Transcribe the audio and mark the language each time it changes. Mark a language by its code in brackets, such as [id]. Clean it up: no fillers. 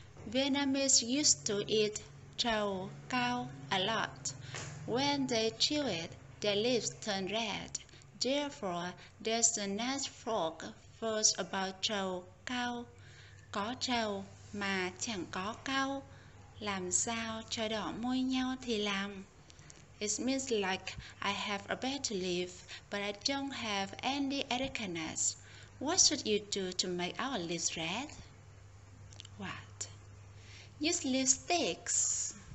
[en] Vietnamese used to eat trầu cau a lot. When they chew it, their lips turn red. Therefore, there's a nice folk verse about trầu cau. [vi] Có trầu mà chẳng có cau, làm sao cho đỏ môi nhau thì làm. [en] It means like I have a better leaf, but I don't have any etiquette. What should you do to make our leaves red? What? Use lipsticks.